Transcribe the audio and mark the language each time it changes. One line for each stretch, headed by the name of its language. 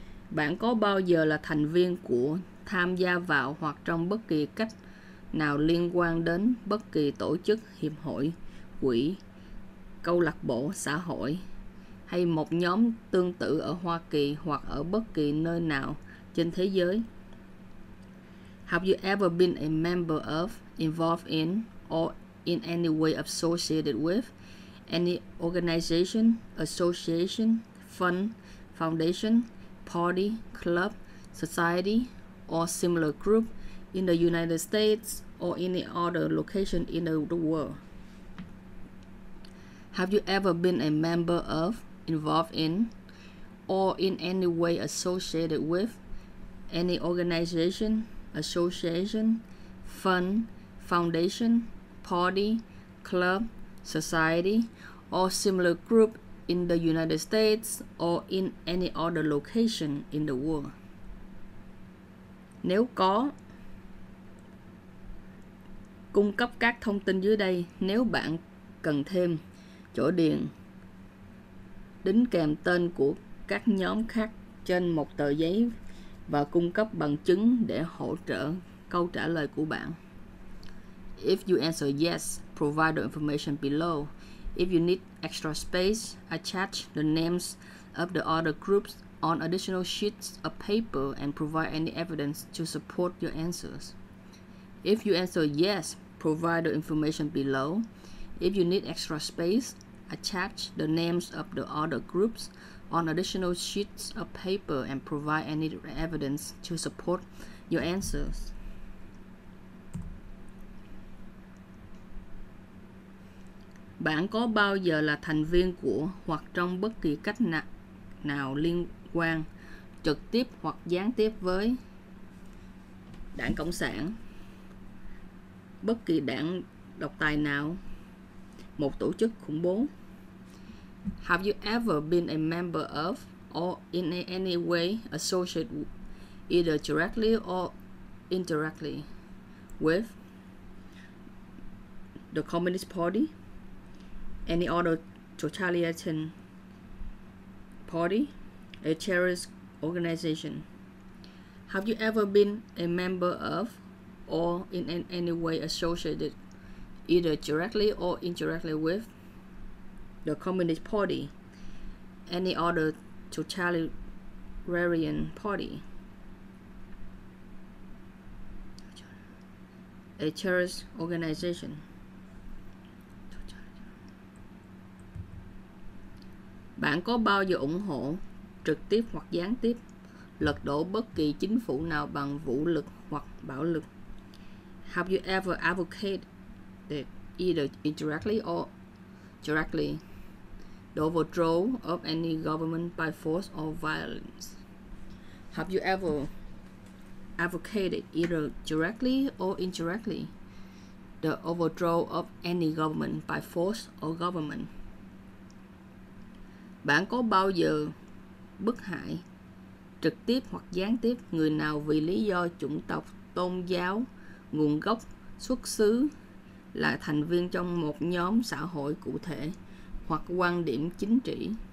Vietnamese: Bạn có bao giờ là thành viên của, tham gia vào hoặc trong bất kỳ cách nào liên quan đến bất kỳ tổ chức, hiệp hội, quỹ, câu lạc bộ, xã hội hay một nhóm tương tự ở Hoa Kỳ hoặc ở bất kỳ nơi nào trên thế giới?
English: Have you ever been a member of, involved in, or in any way associated with any organization, association, fund, foundation, party, club, society, or similar group in the United States or any other location in the world? Have you ever been a member of, involved in, or in any way associated with any organization, association, fund, foundation, party, club, society, or similar group in the United States or in any other location in the world?
Vietnamese: Nếu có, cung cấp các thông tin dưới đây. Nếu bạn cần thêm, chỗ điền, đính kèm tên của các nhóm khác trên một tờ giấy và cung cấp bằng chứng để hỗ trợ câu trả lời của bạn.
English: If you answer yes, provide the information below. If you need extra space, attach the names of the other groups on additional sheets of paper and provide any evidence to support your answers. If you answer yes, provide the information below. If you need extra space, attach the names of the other groups on additional sheets of paper and provide any evidence to support your answers.
Vietnamese: Bạn có bao giờ là thành viên của hoặc trong bất kỳ cách nào liên quan trực tiếp hoặc gián tiếp với Đảng Cộng sản, bất kỳ đảng độc tài nào, một tổ chức khủng bố?
English: Have you ever been a member of or in any way associated either directly or indirectly with the Communist Party? Any other totalitarian party, a terrorist organization? Have you ever been a member of or in any way associated either directly or indirectly with the Communist Party, any other totalitarian party, a terrorist organization?
Vietnamese: Bạn có bao giờ ủng hộ, trực tiếp hoặc gián tiếp, lật đổ bất kỳ chính phủ nào bằng vũ lực hoặc bạo lực?
English: Have you ever advocated either indirectly or directly the overthrow of any government by force or violence? Have you ever advocated either directly or indirectly the overthrow of any government by force or government?
Vietnamese: Bạn có bao giờ bức hại trực tiếp hoặc gián tiếp người nào vì lý do chủng tộc, tôn giáo, nguồn gốc, xuất xứ, là thành viên trong một nhóm xã hội cụ thể hoặc quan điểm chính trị?